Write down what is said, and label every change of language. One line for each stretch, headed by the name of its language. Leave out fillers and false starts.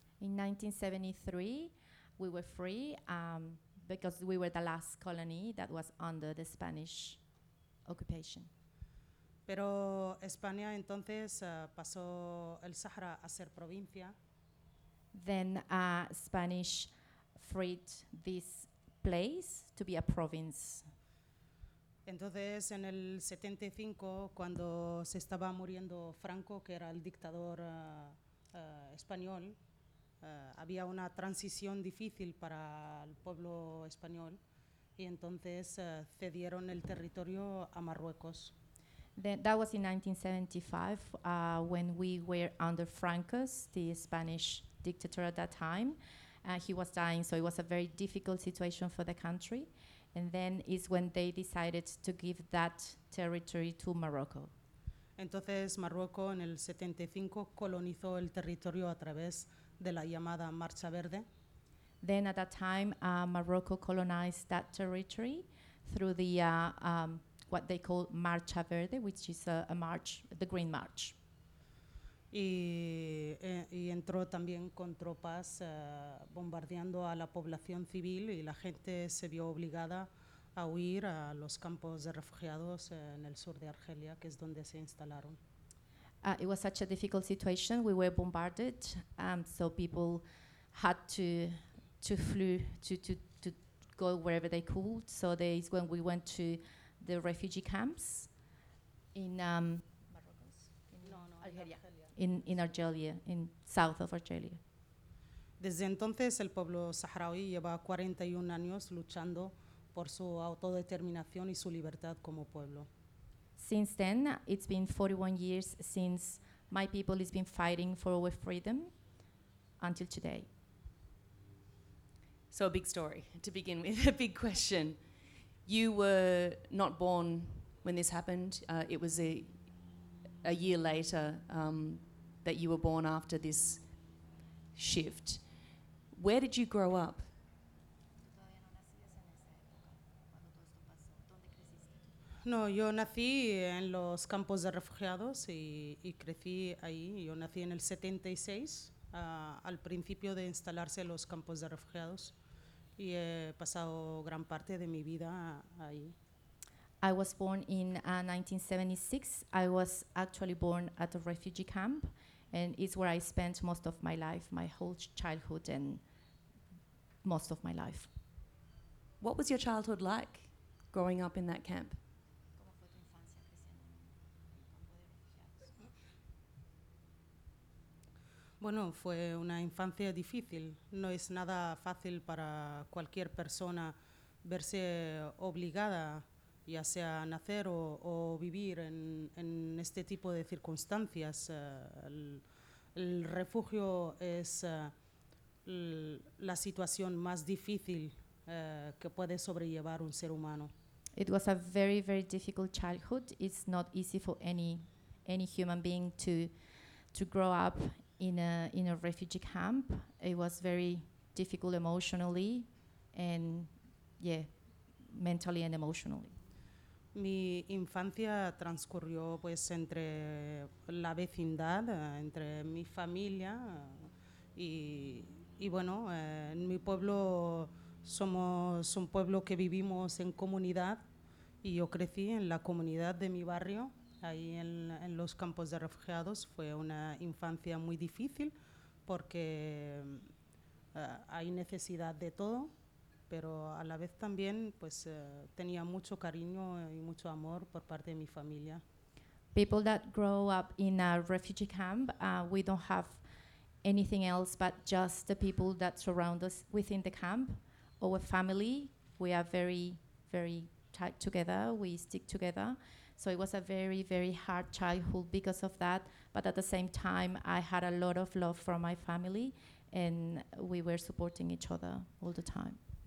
English: In 1973, we were free because we were the last colony that was under the Spanish occupation.
Spanish: Pero España entonces pasó el Sahara a ser provincia.
English: Then Spanish freed this place to be a province.
Spanish: Entonces, en el 75, cuando se estaba muriendo Franco, que era el dictador español, había una transición difícil para el pueblo español, y entonces cedieron el territorio a Marruecos.
English: That was in 1975, when we were under Francos, the Spanish dictator at that time. He was dying, so it was a very difficult situation for the country. And then is when they decided to give that territory to Morocco.
Spanish: Entonces, Marruecos en el 75 colonizó el territorio a través de la llamada Marcha Verde.
English: Then at that time, Morocco colonized that territory through the what they call Marcha Verde, which is a march, the Green March.
Spanish: Y entró también con tropas bombardeando a la población civil y la gente se vio obligada a huir a los campos de refugiados en el sur de Argelia, que es donde se instalaron.
English: It was such a difficult situation. We were bombarded, so people had to go wherever they could. So that is when we went to the refugee camps in Argelia, in south of Argelia.
Spanish: Desde entonces, el pueblo saharaui lleva 41 años luchando por su autodeterminación y su libertad como pueblo.
English: Since then, it's been 41 years since my people has been fighting for our freedom until today. So a big story to begin with, a big question. You were not born when this happened. It was a year later that you were born after this shift. Where did you grow up?
Spanish: No, yo nací en los campos de refugiados y crecí ahí. Yo nací en el 76, al principio de instalarse los campos de refugiados, y he pasado gran parte de mi vida ahí.
English: I was born in 1976. I was actually born at a refugee camp, and it's where I spent most of my life, my whole childhood and most of my life. What was your childhood like growing up in that camp?
Spanish: Bueno, fue una infancia difícil. No es nada fácil para cualquier persona verse obligada, ya sea nacer o vivir en este tipo de circunstancias. El refugio es la situación más difícil que puede sobrellevar un ser humano.
English: It was a very, very difficult childhood. It's not easy for any human being to grow up in a refugee camp. It was very difficult emotionally and, yeah, mentally and emotionally.
Spanish: Mi infancia transcurrió pues entre la vecindad, entre mi familia y bueno, en mi pueblo somos un pueblo que vivimos en comunidad y yo crecí en la comunidad de mi barrio, ahí en los campos de refugiados. Fue una infancia muy difícil porque hay necesidad de todo, pero a la vez también pues tenía mucho cariño y mucho amor por parte de mi familia.
English: People that grow up in a refugee camp, we don't have anything else but just the people that surround us within the camp. Our family, we are very, very tight together, we stick together. So it was a very, very hard childhood because of that. But at the same time, I had a lot of love from my family and we were supporting each other all the time.